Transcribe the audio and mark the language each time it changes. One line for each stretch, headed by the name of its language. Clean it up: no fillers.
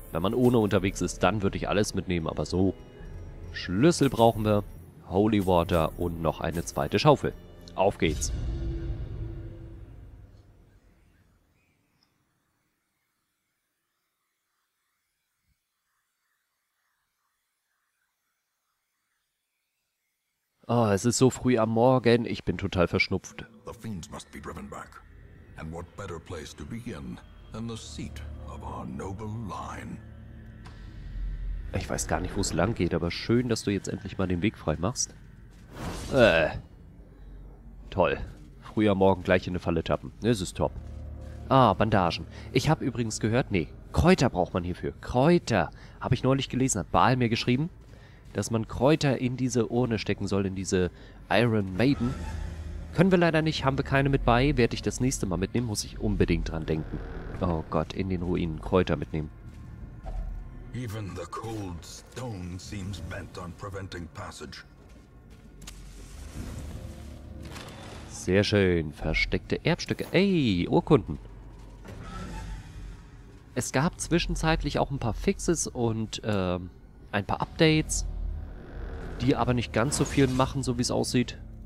German: Wenn man ohne unterwegs ist, dann würde ich alles mitnehmen, aber so. Schlüssel brauchen wir, Holy Water und noch eine zweite Schaufel. Auf geht's. Oh, es ist so früh am Morgen, ich bin total verschnupft.
English: The fiends must be driven back. And what better place to begin than the seat of our noble line?
German: Ich weiß gar nicht, wo es lang geht, aber schön, dass du jetzt endlich mal den Weg frei machst. Toll. Früh am Morgen gleich in eine Falle tappen. Es ist top. Ah, Bandagen. Ich habe übrigens gehört, nee, Kräuter braucht man hierfür. Kräuter. Habe ich neulich gelesen, hat Baal mir geschrieben, dass man Kräuter in diese Urne stecken soll, in diese Iron Maiden. Können wir leider nicht, haben wir keine mit bei. Werde ich das nächste Mal mitnehmen, muss ich unbedingt dran denken. Oh Gott, in den Ruinen Kräuter mitnehmen.
English: Even the cold stone seems bent on preventing passage.
German: Sehr schön, versteckte Erbstücke. Ey, Urkunden. Es gab zwischenzeitlich auch ein paar Fixes und ein paar Updates, die aber nicht ganz so viel machen, so wie es aussieht.